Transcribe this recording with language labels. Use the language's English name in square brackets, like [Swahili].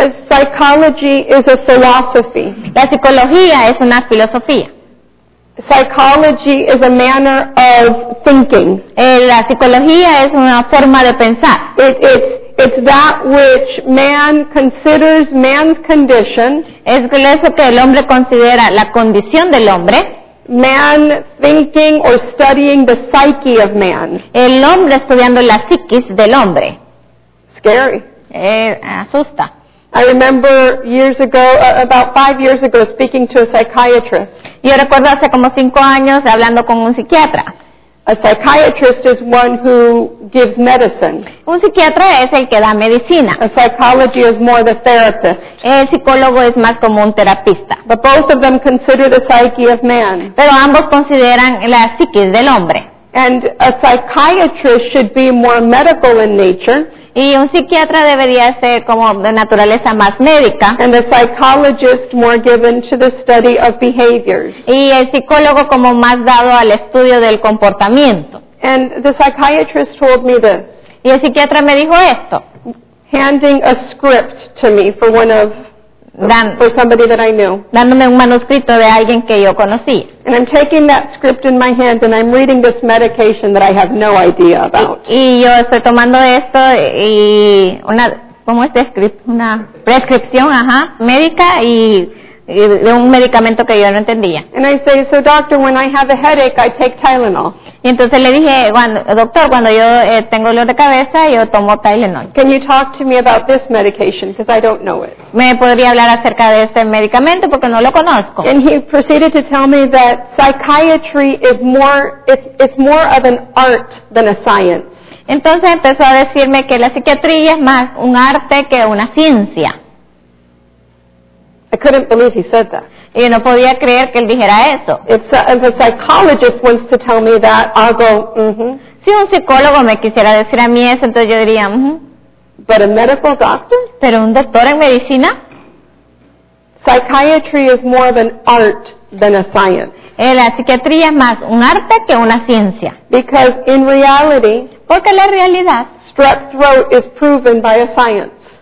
[English] Psychology is a philosophy. [Spanish] La psicología es una filosofía. [English] Psychology is a manner of thinking. [Spanish] La psicología es una forma de pensar. [English] It's that which man considers man's condition. [Spanish] Es eso que el hombre considera la condición del hombre. [English] Man thinking or studying the psyche of man. [Spanish] El hombre estudiando la psiquis del hombre. [English] Scary. [Spanish] Asusta. [English] I remember years ago, about 5 years ago, speaking to a psychiatrist. [Spanish] Yo recuerdo hace como 5 años hablando con un psiquiatra. [English] A psychiatrist is one who gives medicine. [Spanish] Un psiquiatra es el que da medicina. [English] A psychology is more the therapist. [Spanish] El psicólogo es más como un terapista. [English] But both of them consider the psyche of man. [Spanish] Pero ambos consideran la psique del hombre. [English] And a psychiatrist should be more medical in nature. [Spanish] Y un psiquiatra debería ser como de naturaleza más médica. [English] And a psychologist more given to the study of behaviors. [Spanish] Y el psicólogo como más dado al estudio del comportamiento. [English] And the psychiatrist told me this. [Spanish] Y el psiquiatra me dijo esto. [English] Handing a script to me for one of for somebody that I knew. [Spanish] Dándome un manuscrito de alguien que yo conocí. [English] And I'm taking that script in my hand and I'm reading this medication that I have no idea about. [Spanish] Y yo estoy tomando esto y una, ¿cómo es? Una prescripción, ajá, médica y de un medicamento que yo no entendía. [English] And I say, so doctor, when I have a headache, I take Tylenol. [Spanish] Y entonces le dije, doctor, cuando yo tengo dolor de cabeza, yo tomo Tylenol. [English] Can you talk to me about this medication? Because I don't know it. [Spanish] ¿Me podría hablar acerca de este medicamento? Porque no lo conozco. [English] And he proceeded to tell me that psychiatry is more, it's more of an art than a science. [Spanish] Entonces empezó a decirme que la psiquiatría es más un arte que una ciencia. [English] I couldn't believe he said that. [Spanish] Y no podía creer que él dijera eso. [English] If a psychologist wants to tell me that, I'll go, [Spanish] Si un psicólogo me quisiera decir a mí eso, entonces yo diría, [English] But a medical doctor? [Spanish] ¿Pero un doctor en medicina? [English] Psychiatry is more of an art than a science. [Spanish] La psiquiatría es más un arte que una ciencia. [English] Because in reality, [Spanish] porque la realidad, [English] strep throat is proven by a science.